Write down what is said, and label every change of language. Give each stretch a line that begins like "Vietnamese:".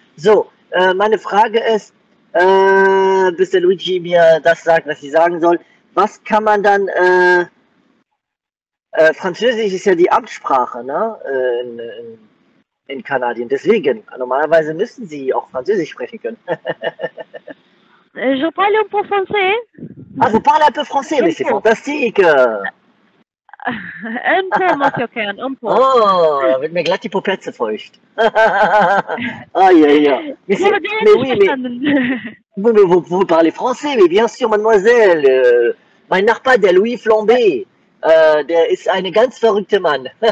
German: So, meine Frage ist, bis der Luigi mir das sagt, was ich sagen soll, was kann man dann, Französisch ist ja die Amtssprache, ne, in Kanadien. Deswegen, normalerweise müssen Sie auch Französisch sprechen können.
French: Je parle un peu français. Ah, vous parlez un peu français, mais c'est fantastique. Un peu, monsieur Kern, un peu. Oh, mais là, tu peux pas être feucht. Aïe, aïe, aïe. Mais, c'est, mais oui, mais vous parlez français, mais bien sûr, mademoiselle.
German: Mein Nachbar, der Louis Flambé, der ist eine ganz verrückte Mann.